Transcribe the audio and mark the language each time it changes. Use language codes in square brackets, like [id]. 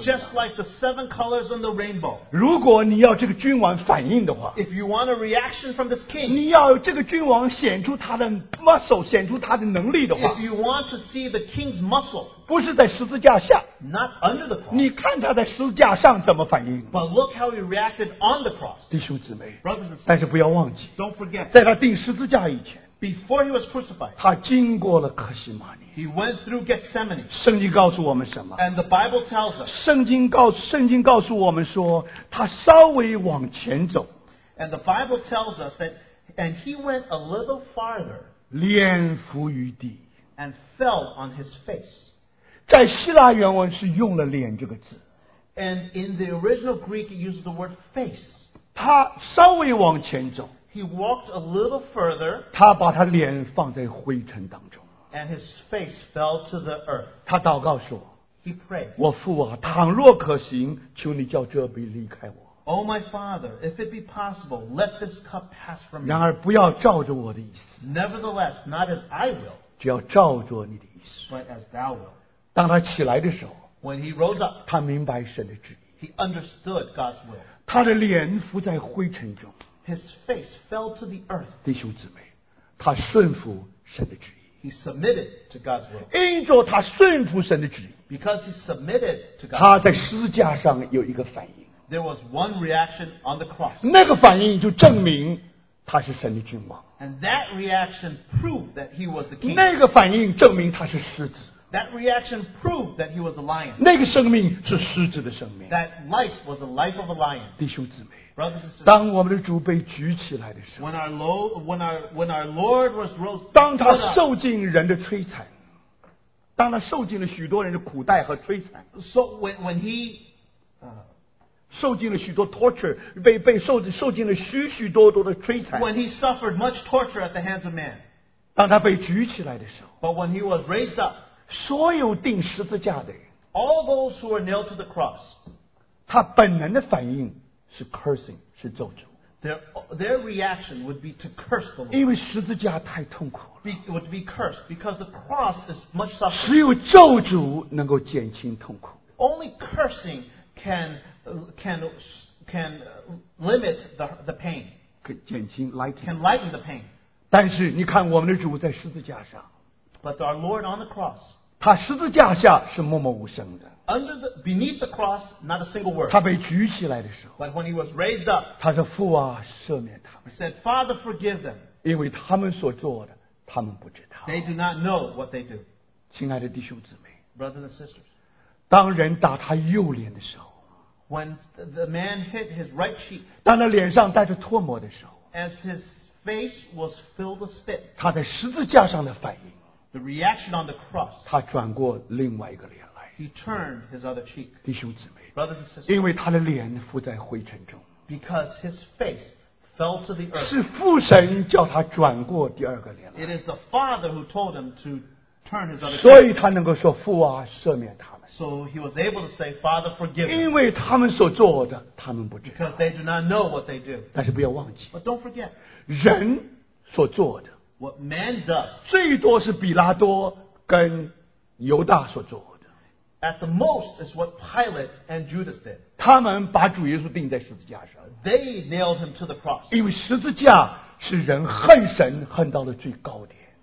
[en] Just like the seven colors on the rainbow. [zh] 如果你要这个君王反应的话。 [en] If you want a reaction from this king. [zh] 你要这个君王显出他的 muscle, 显出他的能力的话。 [en] If you want to see the king's muscle. [zh] 不是在十字架下, [en] not under the cross. [zh] 你看他在十字架上怎么反应, [en] but look how he reacted on the cross. [zh] 弟兄姊妹, [en] brothers and sisters, [zh] 但是不要忘记, [en] don't forget, [zh] 在他钉十字架以前, [en] before he was crucified, [zh] 他经过了可西玛尼, [en] he went through Gethsemane. [zh] 圣经告诉我们什么? [en] And the Bible tells us, [zh] 圣经告诉我们说, 他稍微往前走, [en] and the Bible tells us that, and he went a little farther, [zh] 脸伏于地, [en] and fell on his face. [zh] 在希腊原文是用了脸这个字。 [en] And in the original Greek, it uses the word face. [zh] 他稍微往前走。 [en] He walked a little further. [zh] 他把他脸放在灰尘当中。 [en] And his face fell to the earth. [zh] 他祷告说, [en] He prayed. [zh] 我父啊, 倘若可行, 求你叫这杯离开我。 [en] Oh my Father, if it be possible, let this cup pass from me. [zh] 然而不要照着我的意思。 [en] Nevertheless, not as I will. [zh] 只要照着你的意思。 [en] But as thou will. [zh] 当他起来的时候, [en] when he rose up, [zh] 他明白神的旨意, [en] he understood God's will. [zh] 他的脸伏在灰尘中, [en] his face fell to the earth. [zh] 弟兄姊妹, 他顺服神的旨意, [en] he submitted to God's will. [zh] 因着他顺服神的旨意, [en] because he submitted to God's will, [zh] 他在十字架上有一个反应, [en] there was one reaction on the cross. [zh] 那个反应就证明, 他是神的君王, [en] and that reaction proved that he was the king. [zh] 那个反应证明他是狮子, [en] that reaction proved that he was a lion. [zh] 那个生命是狮子的生命。 [en] That life was a life of a lion. [zh] 弟兄姊妹, [en] brothers and sisters, [zh] 当我们的主被举起来的时候, [en] when our Lord was rose, [zh] 当他受尽人的摧残, 当他受尽了许多人的苦待和摧残, [en] so when he [zh] 受尽了许多 torture, 被受尽了许许多多的摧残, [en] when he suffered much torture at the hands of man, [zh] 当他被举起来的时候, [en] but when he was raised up, [zh] 所有钉十字架的人, [en] all those who are nailed to the cross, [zh] 他本能的反应是 cursing, 是咒诅, [en] their reaction would be to curse the Lord. [zh] 因为十字架太痛苦了, [en] it would be cursed because the cross is much suffering. [zh] 只有咒诅能够减轻痛苦, [en] only cursing can limit the pain, [zh] 减轻, lighten, [en] can lighten the pain. [zh] 但是你看我们的主在十字架上, [en] but our Lord on the cross, [zh] 他十字架下是默默无声的。 [en] Beneath the cross, not a single word. [zh] 他被举起来的时候, [en] but when he was raised up, [zh] 他说父啊, 赦免他们。 [en] He said, Father, forgive them. [zh] 因为他们所做的, 他们不知道。 [en] They do not know what they do. [zh] 亲爱的弟兄姊妹, [en] brothers and sisters, [zh] 当人打他右脸的时候, [en] when the man hit his right cheek, [zh] 当他脸上带着唾沫的时候, [en] as his face was filled with spit, [zh] 他在十字架上的反应, [en] the reaction on the cross, [zh] 他转过另外一个脸来, [en] he turned his other cheek. [zh] 弟兄姊妹, [en] brothers and sisters, [zh] 因为他的脸伏在灰尘中, [en] because his face fell to the earth, [zh] 是父神叫他转过第二个脸来, [en] it is the Father who told him to turn his other cheek. [zh] 所以他能够说, 父啊, 赦免他们。 [en] So he was able to say, Father, forgive them. [zh] 因为他们所做的, 他们不知道。 [en] Because they do not know what they do. [zh] 但是不要忘记, [en] but don't forget, [zh] 人所做的, [en] what man does, [zh] 最多是比拉多跟犹大所做的, [en] at the most is what Pilate and Judas did. [zh] 他们把主耶稣钉在十字架上, [en] they nailed him to the cross. [zh] 因为十字架是人恨神恨到的最高点,